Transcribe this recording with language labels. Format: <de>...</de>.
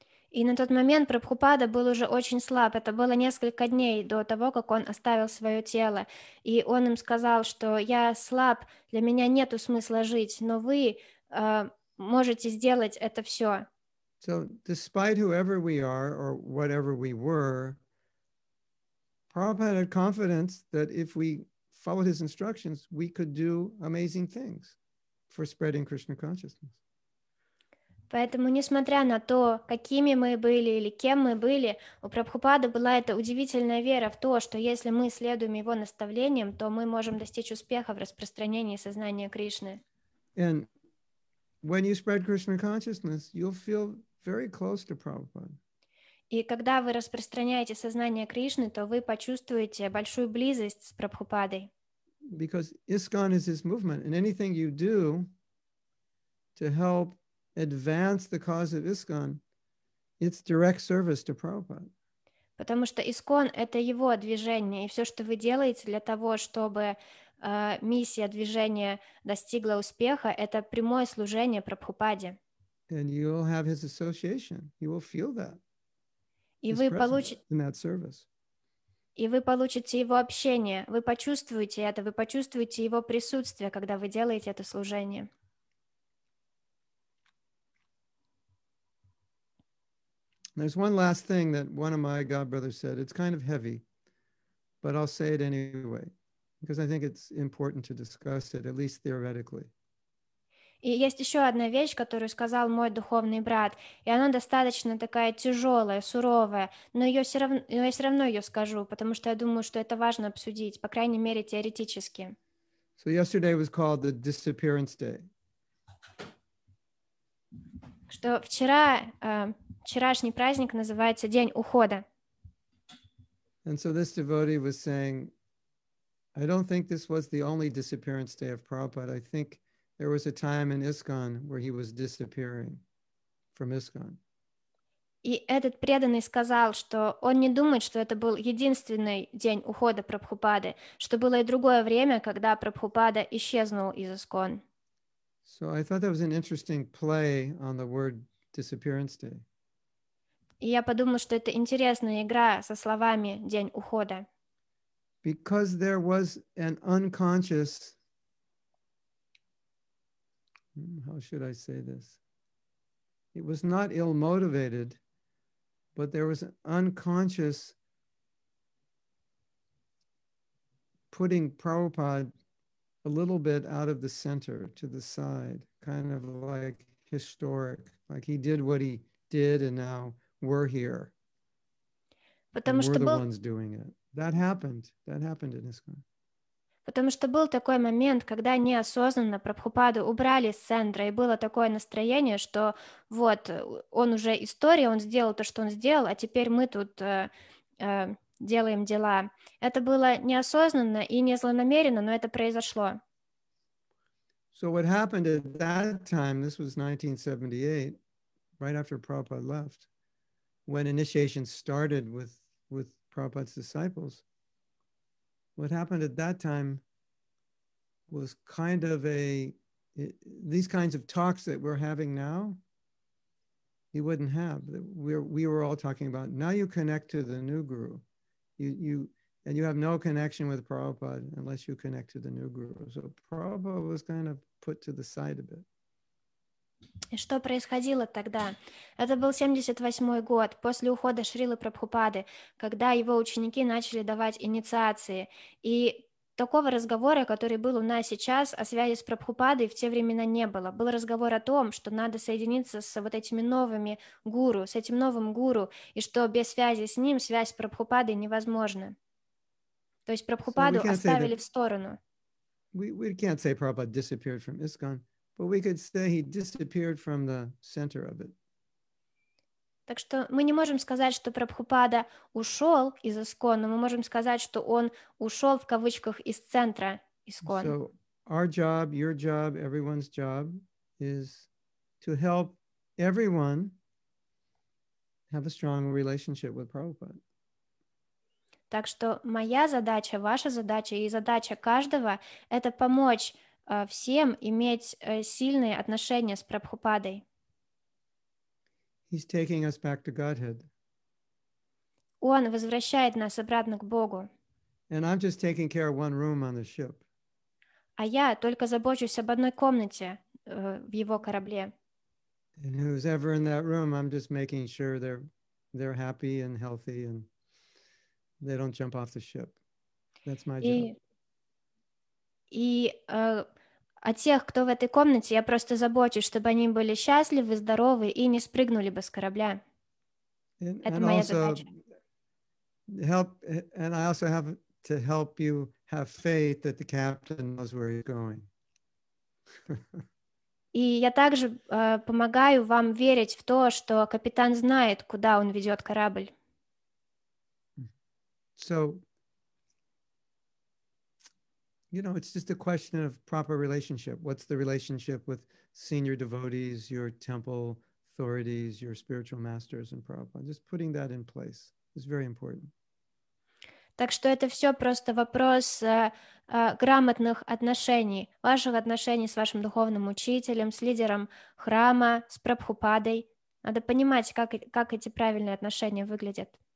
<ru>И на тот момент Прабхупада был уже очень слаб. Это было несколько дней до того, как он оставил свое тело. И он им сказал, что я слаб, для меня нет смысла жить, но вы можете сделать это все.</ru> <en>So, despite whoever we are or whatever we were, Prabhupada had confidence that if we followed his instructions, we could do amazing things for spreading Krishna consciousness.</en> <ru>Поэтому, несмотря на то, какими мы были или кем мы были, у Прабхупады была эта удивительная вера в то, что если мы следуем его наставлениям, то мы можем достичь успеха в распространении сознания Кришны.</ru> <en>And when you spread Krishna consciousness, you'll feel very close to Prabhupada.</en> <ru>И когда вы распространяете сознание Кришны, то вы почувствуете большую близость с Прабхупадой.</ru> <en>Because ISKCON is his movement, and anything you do to help advance the cause of ISKCON, it's direct service to Prabhupada.</en> <ru>Потому что ИСКОН — это его движение, и все, что вы делаете для того, чтобы миссия движения достигла успеха, это прямое служение Прабхупаде.</ru> <en>And you'll have his association. You will feel that.</en> <ru>И вы получите</ru> <en>in that service.</en> <ru>И вы получите его общение. Вы почувствуете это, вы почувствуете его присутствие, когда вы делаете это служение.</ru> <en>There's one last thing that one of my godbrothers said. It's kind of heavy, but I'll say it anyway, because I think it's important to discuss it, at least theoretically.</en> <ru>И есть еще одна вещь, которую сказал мой духовный брат, и она достаточно такая тяжелая, суровая, но ее все равно, но я все равно ее скажу, потому что я думаю, что это важно обсудить, по крайней мере, теоретически.</ru> <en>So yesterday was called the disappearance day.</en> <ru>Что вчера... Вчерашний праздник называется День ухода.</ru> <en>And so this devotee was saying, I don't think this was the only disappearance day of Prabhupada. I think there was a time in ISKCON where he was disappearing from ISKCON.</en> <ru>И этот преданный сказал, что он не думает, что это был единственный день ухода Прабхупады, что было и другое время, когда Прабхупада исчезнул из ISKCON.</ru> <en>So I thought that was an interesting play on the word disappearance day.</en> <ru>И я подумал, что это интересная игра со словами «день ухода».</ru> <en>Because there was an unconscious... How should I say this? It was not ill-motivated, But there was an unconscious putting Prabhupada a little bit out of the center to the side, kind of like historic, like he did what he did and now we're here.</en> <ru>Потому что</ru> <en>we're the ones doing it. That happened. That happened in ISKCON.</en> <ru>Потому что был такой момент, когда неосознанно Прабхупаду убрали с центра, и было такое настроение, что вот, он уже история, он сделал то, что он сделал, а теперь мы тут делаем дела. Это было неосознанно и не злонамеренно, но это произошло.</ru> <en>So what happened at that time, this was 1978, right after Prabhupada left, when initiation started with Prabhupada's disciples, what happened at that time was kind of a, these kinds of talks that we're having now, you wouldn't have. We were all talking about, now you connect to the new guru. And you have no connection with Prabhupada unless you connect to the new guru. So Prabhupada was kind of put to the side a bit.</en> <ru>И что происходило тогда? Это был 78-й год, после ухода Шрилы Прабхупады, когда его ученики начали давать инициации. И такого разговора, который был у нас сейчас, о связи с Прабхупадой в те времена не было. Был разговор о том, что надо соединиться с вот этими новыми гуру, с этим новым гуру, и что без связи с ним связь с Прабхупадой невозможна. То есть Прабхупаду оставили в сторону.</ru> <en>We can't say Prabhupada disappeared from ISKCON, but we could say he disappeared from the center of it.</en> <ru>Так что мы не можем сказать, что Прабхупада ушел из ИСКОН, но мы можем сказать, что он ушел в кавычках из центра ИСКОН.</ru> <en>So our job, your job, everyone's job is to help everyone have a strong relationship with Prabhupada.</en> <ru>Так что моя задача, ваша задача и задача каждого — это помочь всем иметь сильные отношения с Прабхупадой.</ru> <en>He's taking us back to Godhead.</en> <ru>Он возвращает нас обратно к Богу.</ru> <en>And I'm just taking care of one room on the ship.</en> <ru>А я только забочусь об одной комнате в его корабле.</ru> <en>And who's ever in that room, I'm just making sure they're happy and healthy and they don't jump off the ship. That's my job.</en> <ru>О тех, кто в этой комнате, я просто забочусь, чтобы они были счастливы, здоровы и не спрыгнули бы с корабля. Это моя задача.</ru> <en>And I also have to help you have faith that the captain knows where he's going.</en> <ru>И я также помогаю вам верить в то, что капитан знает, куда он ведет корабль.</ru> <en>So, you know, it's just a question of proper relationship. What's the relationship with senior devotees, your temple authorities, your spiritual masters and Prabhupada? Just putting that in place is very important.</en> <ru>Так что это все просто вопрос грамотных отношений, ваших отношений с вашим духовным учителем, с лидером храма, с Прабхупадой. Надо понимать, как эти правильные отношения выглядят.</ru>